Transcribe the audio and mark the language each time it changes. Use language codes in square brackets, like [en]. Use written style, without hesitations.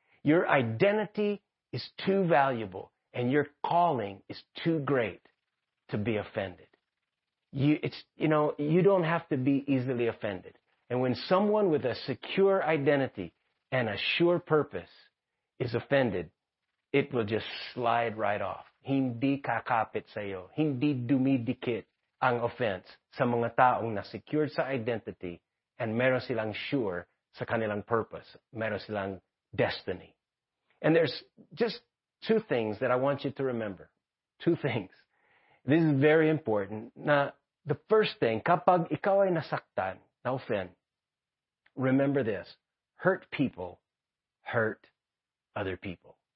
[en] Your identity is too valuable and your calling is too great to be offended. You don't have to be easily offended. And when someone with a secure identity and a sure purpose is offended, it will just slide right off. [tl] Hindi kakapit sa'yo. Hindi dumidikit ang offense sa mga taong na secured sa identity and meron silang sure sa kanilang purpose. Meron silang destiny. [en] And there's just two things that I want you to remember. Two things. This is very important. Na the first thing, [tl] kapag ikaw ay nasaktan, na-offend, [en] remember this. Hurt people hurt other people.